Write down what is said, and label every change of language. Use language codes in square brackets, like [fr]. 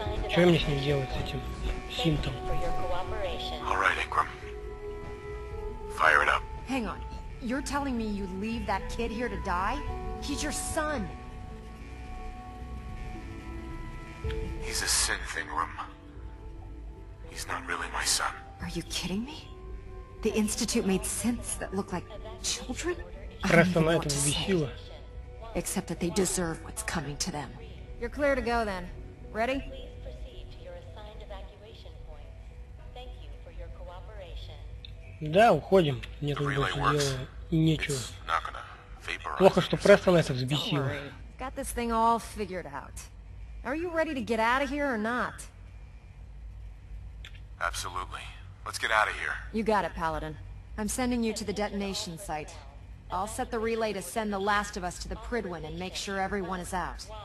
[ru] Что мне с ним делать, с этим синтом? [en] All right, Ingram. Fire it up. Hang on. You're telling me you'd leave that kid here to die? He's your son. He's a synth, Ingram. He's not really my son. Are you kidding me? The Institute made synths that look like children? [ru] Просто на этом бесило. [en] Except that they deserve what's coming to them. You're clear to go then. Ready? Please proceed to your assigned evacuation point. Thank you for your cooperation. [ru] Да, уходим. Нет, тут больше дела. Нечего. Плохо, что Престон на это взбесило. [en] Got this thing all figured out. Are you ready to get out of here or not? Absolutely. Let's get out of here. You got it, Paladin. I'm sending you to the detonation site. I'll set the relay to send the last of us to the Pridwin and make sure everyone is out.